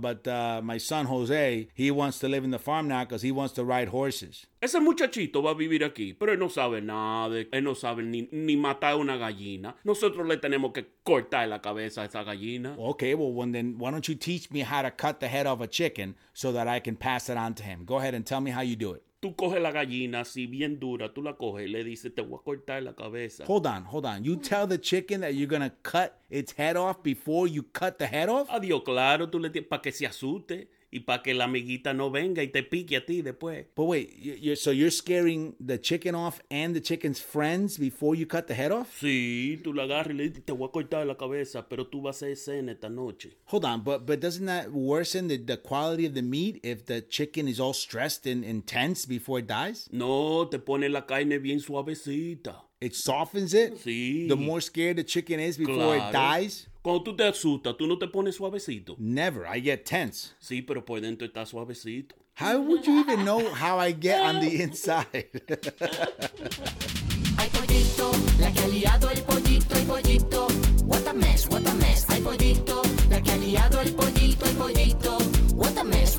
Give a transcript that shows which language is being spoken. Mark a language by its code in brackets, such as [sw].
[en] But my son, Jose, he wants to live in the farm now because he wants to ride horses. [es] Ese muchachito va a vivir aquí, pero él no sabe nada. Él no sabe ni matar una gallina. Nosotros le tenemos que cortar la cabeza a esa gallina. [en] Okay, well, then why don't you teach me how to cut the head of a chicken so that I can pass it on to him? Go ahead and tell me how you do it. [es] Tú coges la gallina así bien dura, tú la coges y le dices, te voy a cortar la cabeza. [en] Hold on. You tell the chicken that you're gonna cut its head off before you cut the head off? [es] Adiós, claro, tú le tienes, para que se asuste y para que la amiguita no venga y te pique a ti después. [en] But wait, you're scaring the chicken off and the chicken's friends before you cut the head off? [es] Sí, tú la agarras y le dices, te voy a cortar la cabeza, pero tú vas a hacer cena esta noche. [en] Hold on, but doesn't that worsen the quality of the meat if the chicken is all stressed and intense before it dies? [es] No, te pone la carne bien suavecita. [en] It softens it? [es] Sí. [en] The more scared the chicken is before it dies? [es] Cuando tú te asustas, tú no te pones suavecito. [en] Never. I get tense. [es] Sí, pero por dentro está suavecito. [en] How would you even know how I get on the inside? [es] Ay, pollito, la que ha liado el pollito, el pollito. [en] What a mess. [es] Ay, pollito, la que ha liado el pollito, el pollito. [en] What a mess.